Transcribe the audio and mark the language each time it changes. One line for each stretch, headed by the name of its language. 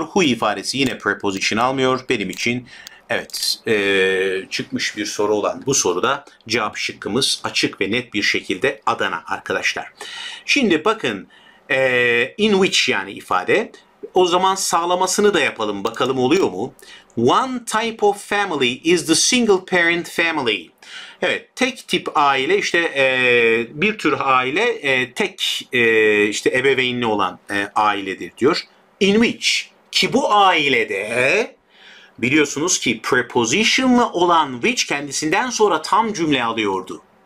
Turkish: Who ifadesi yine preposition almıyor. Benim için evet çıkmış bir soru olan bu soruda cevap şıkkımız açık ve net bir şekilde Adana arkadaşlar. Şimdi bakın in which yani ifade. O zaman sağlamasını da yapalım. Bakalım oluyor mu?
English: One type of family is the single parent family.
Turkish: Evet, tek tip aile işte bir tür aile tek işte ebeveynli olan ailedir diyor. In which ki bu ailede biliyorsunuz ki prepositionlı olan which kendisinden sonra tam cümle alıyordu.